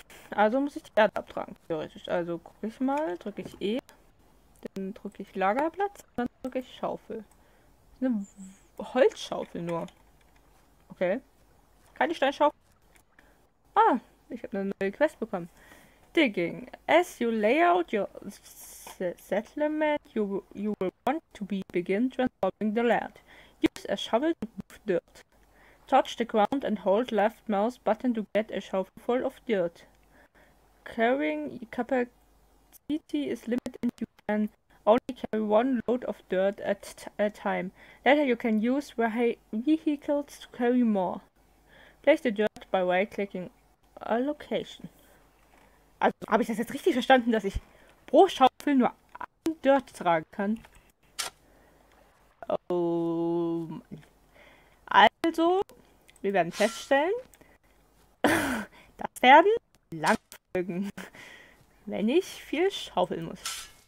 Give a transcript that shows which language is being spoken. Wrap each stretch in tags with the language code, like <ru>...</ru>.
<de>Also muss ich die Erde abtragen, theoretisch. Also gucke ich mal, drücke ich E, dann drücke ich Lagerplatz, dann drücke ich Schaufel. Eine Holzschaufel nur. Okay. Keine Steinschaufel. Ah, ich habe eine neue Quest bekommen.</de> <en>Digging. As you lay out your settlement, you will want to be begin transforming the land. Use a shovel to move dirt. Touch the ground and hold left mouse button to get a shovel full of dirt. Carrying capacity is limited. You can only carry one load of dirt at a time. Later you can use vehicles to carry more. Place the dirt by right-clicking a location.</en> <de>Also habe ich das jetzt richtig verstanden, dass ich pro Schaufel nur ein Dirt tragen kann? Oh Mann. Also, wir werden feststellen, werden lange Folgen, wenn ich viel schaufeln muss.</de>